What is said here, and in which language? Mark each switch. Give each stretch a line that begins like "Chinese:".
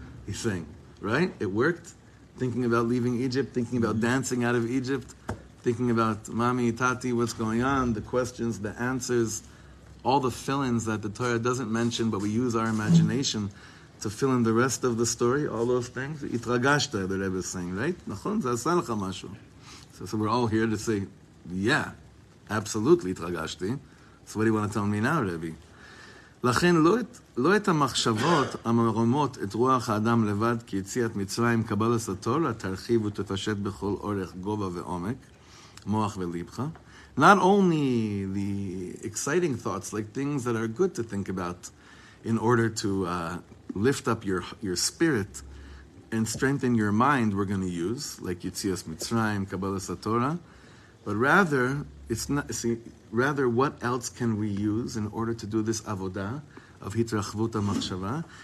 English: He's saying, right? It worked. Thinking about leaving Egypt, thinking about dancing out of Egypt, thinking about mami, tati, what's going on, the questions, the answers, all the fill-ins that the Torah doesn't mention, but we use our imagination to fill in the rest of the story, all those things. Itragashta, the Rebbe is saying, right? Nachon? Zasa lecha mashu. So we're all here to say, yeah, absolutely, itragashti. So what do you want to tell me now, Rebbe?
Hebrew: לכן לא את המחשבות המרומות את רוח האדם לבד כי יציאת מצרים קבלת התורה תרחיב ותפשט בכל אורך גובה ועומק מוח וליבך.
English: Not only the exciting thoughts, like things that are good to think about in order to lift up your spirit and strengthen your mind, we're going to use like
Hebrew: יציאת מצרים קבלת התורה,
English: but rather it's not, see, rather, what else can we use in order to do this avodah of hitrachvut ha-machshava?